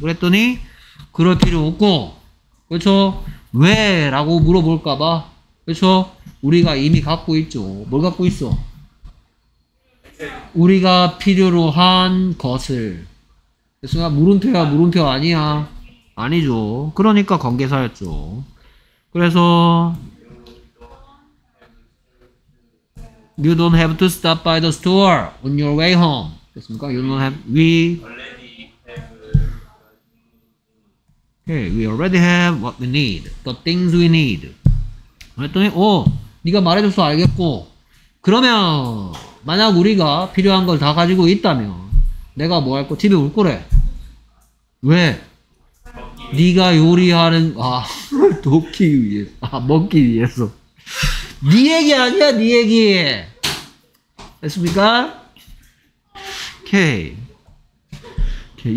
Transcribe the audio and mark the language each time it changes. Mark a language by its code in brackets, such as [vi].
[ko] 그랬더니 그럴 필요 없고, 그렇죠? 왜? 라고 물어볼까봐. 그렇죠? 우리가 이미 갖고 있죠. 뭘 갖고 있어? 우리가 필요로 한 것을. 됐습니까? 물음표야, 물음표 아니야? 아니죠. 그러니까 관계사였죠. 그래서 [en] You don't have to stop by the store on your way home. [ko] 됐습니까? [en] You don't have, we already have okay, we already have what we need. The things we need. [ko] 그랬더니 오! 네가 말해줘서 알겠고, 그러면 만약 우리가 필요한 걸 다 가지고 있다면 내가 뭐 할 거? 집에 올 거래. 왜? 네가 요리하는 아 돕기 위해서. 아 먹기 위해서. 네 얘기 아니야, 네 얘기. 됐습니까? 오케이. 오케이.